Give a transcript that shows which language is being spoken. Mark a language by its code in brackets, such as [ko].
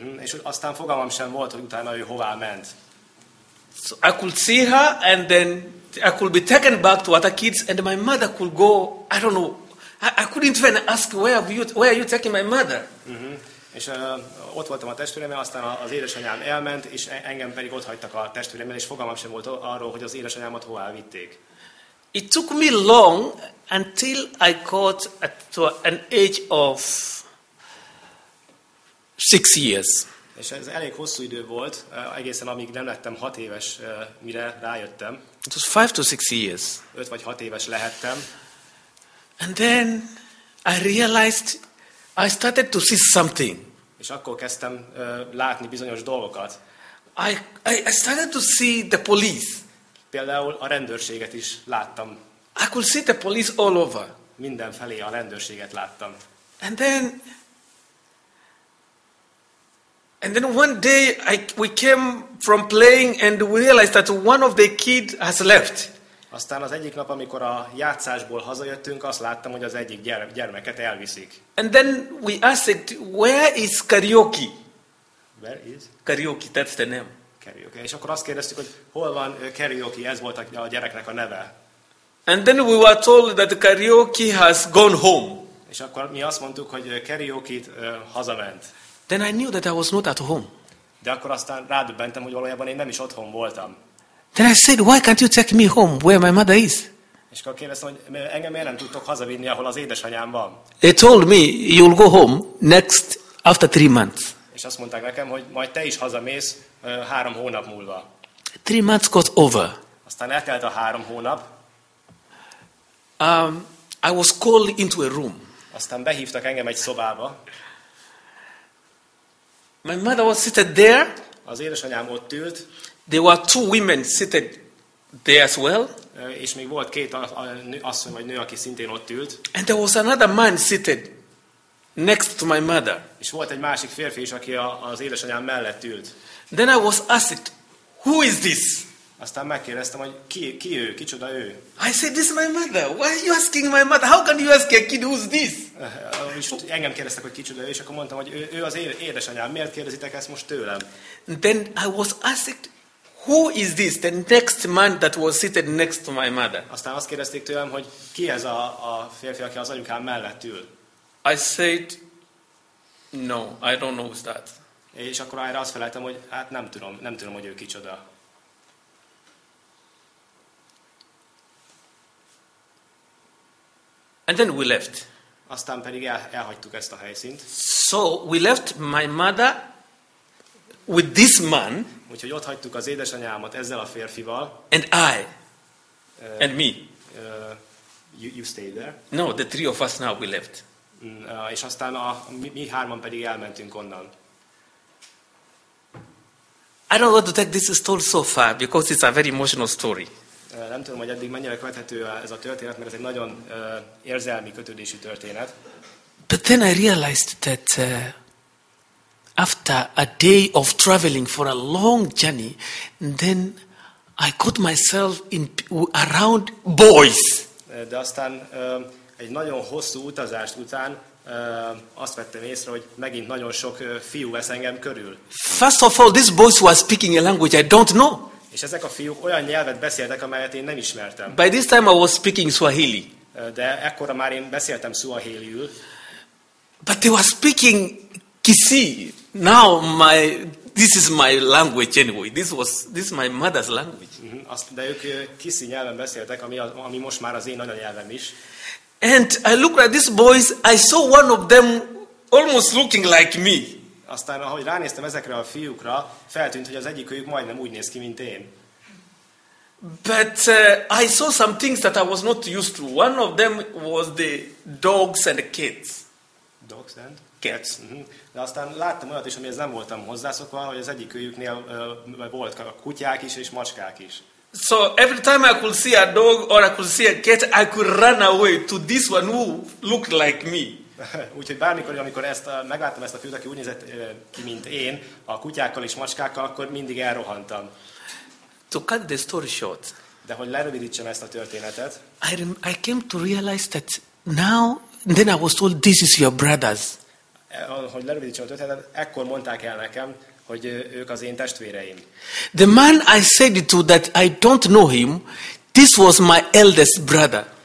[hu] És aztán fogalmam sem volt, hogy utána ő hová ment. [en] So I could see her and then I could be taken back to other kids and my mother could go, I don't know, I couldn't even ask where are you taking my mother. [hu] És ott voltam a testvéremmel, aztán az édesanyám elment, és engem pedig ott hagytak a testvéremmel, és fogalmam sem volt arról, hogy az édesanyámat hová vitték. [en] It took me long until I got to an age of 6 years. [hu] És ez elég hosszú idő volt, egészen amíg nem lettem 6 éves, mire rájöttem. [en] It was 5 to 6 years. [hu] 5 vagy 6 éves lehettem. [en] And then I realized I started to see something. [hu] És akkor kezdtem látni bizonyos dolgokat. [en] I started to see the police. [hu] Például a rendőrséget is láttam. [en] I could see the police all over. [hu] Mindenfelé a rendőrséget láttam. [en] And then one day we came from playing and we realized that one of the kids has left. [hu] Aztán az egyik nap, amikor a játszásból hazajöttünk, azt láttam, hogy az egyik gyermeket elviszik. [en] And then we asked, where is karaoke? Where is? Karaoke, that's the name. Karaoke. [hu] És akkor azt kérdeztük, hogy hol van karaoke, ez volt a gyereknek a neve. [en] And then we were told that karaoke has gone home. [hu] És akkor mi azt mondtuk, hogy karaoke hazament. [en] Then I knew that I was not at home. [hu] De akkor aztán rádöbbentem, hogy valójában én nem is otthon voltam. [en] Then I said, why can't you take me home, where my mother is? [hu] És akkor kérdeztem, hogy engem miért nem tudtok hazavinni, ahol az édesanyám van. [en] They told me, you'll go home next after 3 months. [hu] És azt mondták nekem, hogy majd te is hazamész 3 hónap múlva. [en] 3 months got over. [hu] Aztán eltelt a 3 hónap. [en] I was called into a room. [hu] Aztán behívtak engem egy szobába. [en] My mother was seated there. [hu] Az édesanyám ott ült. [en] There were 2 women seated there as well. [hu] És még volt 2 asszony vagy nő, aki szintén ott ült. [en] And there was another man seated next to my mother. [hu] És volt egy másik férfi is, aki az édesanyám mellett ült. [en] Then I was asked, who is this? [hu] Aztán megkérdeztem, hogy ki ő, kicsoda ő. [en] I said, this is my mother. Why are you asking my mother? How can you ask a kid who's this? [hu] És engem kérdeztek, hogy kicsoda ő, és akkor mondtam, hogy ő az édesanyám. Miért kérdezitek ezt most tőlem? [en] Then I was asked, who is this? The next man that was seated next to my mother. [hu] Aztán azt kérdezték tőlem, hogy ki ez a férfi, aki az anyukám mellett ül. [en] I said, no, I don't know that. [hu] És akkor erre azt feleltem, hogy hát nem tudom, hogy ő kicsoda. [en] And then we left. [hu] Aztán pedig elhagytuk ezt a helyszínt. [en] So we left my mother with this man. [hu] Úgyhogy ott hagytuk az édesanyámat ezzel a férfival. [en] And I. And me. You stayed there. No, the 3 of us now we left. [hu] És aztán mi hárman pedig elmentünk onnan. [en] I don't want to take this story so far because it's a very emotional story. [hu] Nem tudom, hogy eddig mennyire követhető ez a történet, mert ez egy nagyon érzelmi kötődésű történet. [en] But then I realized that after a day of traveling for a long journey, then I caught myself in around boys. [hu] De aztán egy nagyon hosszú utazást után azt vettem észre, hogy megint nagyon sok fiú vesz engem körül. [en] First of all, these boys were speaking a language I don't know. [hu] És ezek a fiúk olyan nyelvet beszéltek, amelyet én nem ismertem. [en] By this time I was speaking Swahili. [hu] De ekkora már én beszéltem Swahiliül. [en] But they were speaking Kisi. Now this is my language anyway. This is my mother's language. [hu] De ők Kisi nyelven beszéltek, ami most már az én anyanyelvem is. [en] And I looked at these boys, I saw one of them almost looking like me. [hu] Aztán, ahogy ránéztem ezekre a fiúkra, feltűnt, hogy az egyikőjük majdnem úgy néz ki, mint én. [en] But I saw some things that I was not used to. One of them was the dogs and the cats. Dogs and cats. [hu] De aztán láttam olyat is, amihez nem voltam hozzászokva, hogy az egyikőjüknél volt kutyák is és macskák is. [en] So every time I could see a dog or I could see a cat, I could run away to this one who looked like me. [hu] Úgyhogy bármikor, amikor megláttam ezt a fiút, aki úgy nézett ki, mint én, a kutyákkal és macskákkal, akkor mindig elrohantam. [en] To cut the story short. [hu] De hogy lerövidítsem ezt a történetet. [en] I came to realize that now, then I was told, this is your brothers. [hu] Hogy lerövidítsem a történetet, ekkor mondták el nekem, hogy ők az én testvéreim. [en] The man I said to that I don't know him, this was my eldest brother.